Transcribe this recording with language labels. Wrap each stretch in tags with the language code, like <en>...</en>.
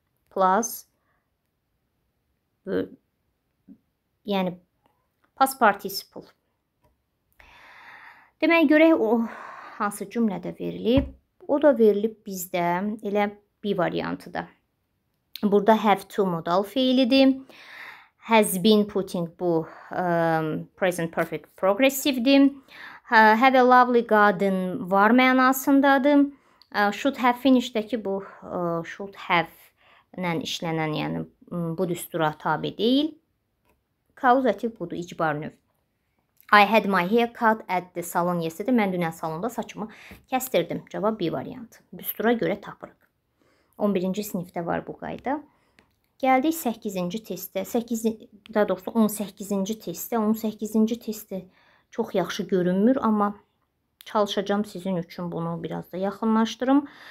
<en>Plus yəni past participle.</en> <az>Demək görək o hansı cümlədə verilib? O da verilib bizdə elə B variantı da. Burada have to modal feilidir. Has been putting bu present perfect progressive-dir. Have a lovely garden var mənasındadır. Should have finished-dəki bu should have-lə işlənən, yəni bu düstura tabi deyil. Causative budur, icbar növ.</az> <en>I had my hair cut at the salon yesterday.</en> <az>Mən dünən salonda saçımı kəstirdim. Cavab B variantı. Düstura görə tapırıq. 11-ci sinifdə var bu qayda. Gəldik 8-ci testə. 18-ci testə. 18-ci testə çox yaxşı görünmür, amma çalışacağam sizin üçün bunu biraz da yaxınlaşdırım.</az>